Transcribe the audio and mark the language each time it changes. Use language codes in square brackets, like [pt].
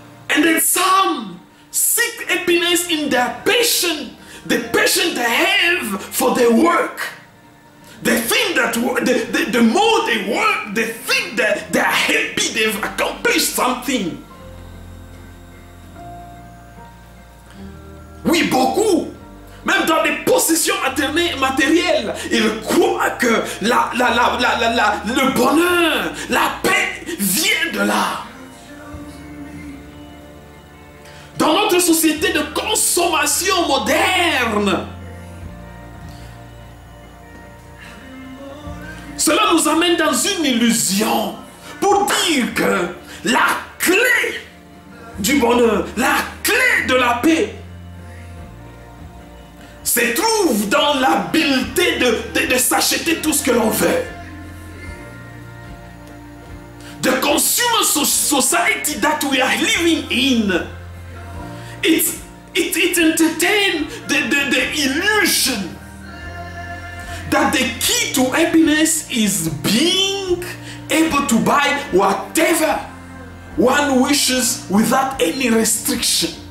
[en] And then some seek happiness in their passion, the passion they have for their work. They think that the more they work, they think that they are happy, they've accomplished something. [fr] Oui, beaucoup, même dans les possessions matérielles, ils croient que le bonheur, la paix vient de là. Dans notre société de consommation moderne, cela nous amène dans une illusion pour dire que la clé du bonheur, la clé de la paix, se trouve dans l'habileté de s'acheter tout ce que l'on veut. [en] The consumer society that we are living in, it entertains the illusion that the key to happiness is being able to buy whatever one wishes without any restriction.